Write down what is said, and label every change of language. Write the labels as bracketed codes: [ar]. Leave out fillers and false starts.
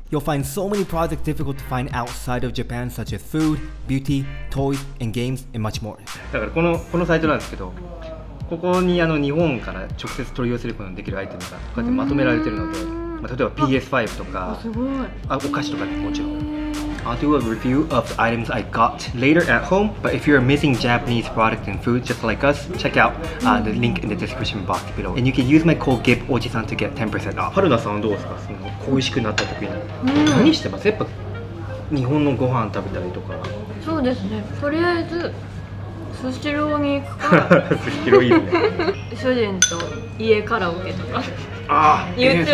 [en] You'll find so many products difficult to find outside of Japan, such as food, beauty, toys, and games, and much more. [ja] だからこのサイトなんですけど。ここにあの日本から直接取り寄せることのできるアイテムがこうやってまとめられてるので、まあ、例えば PS5 とか、すごい、お菓子とかね、もちろん。 [en] I'll do a review of the items I got later at home, but if you're missing Japanese products and food just like us, check out the link in the description box below. And you can use my code ghib.ojisan to get 10% off. [ja] はるなさんどうですか？その恋しくなった時に、うん、何してます？やっぱ日本のご飯食べたりとか。そうですね。とりあえず、スシローに行くか。スシローいいよね。主人と家カラオケとか。ああ、 YouTube 流して。